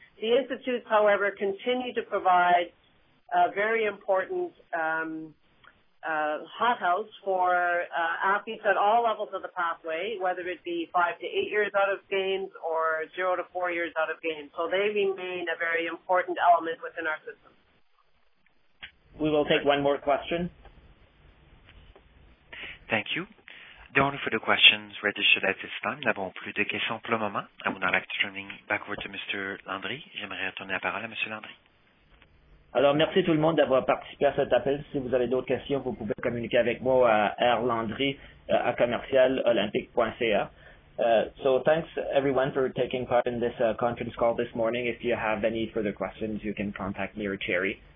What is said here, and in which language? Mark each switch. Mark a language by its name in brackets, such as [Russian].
[English] The institutes, however, continue to provide a very important hothouse for athletes at all levels of the pathway, whether it be 5 to 8 years out of games or 0 to 4 years out of games. So they remain a very important element within our system. We will take one more question. Thank you. There are no further questions registered at this time. [French] Nous n'avons plus de questions pour le moment. [English] I would now like to turn it back over to Mr. Landry. [French] J'aimerais retourner la parole à Mr. Landry. Alors, merci tout le monde d'avoir participé à cet appel. Si vous avez d'autres questions, vous pouvez communiquer avec moi à rlandry@commercialolympique.ca. [English] So thanks everyone for taking part in this conference call this morning. If you have any further questions, you can contact me or Thierry.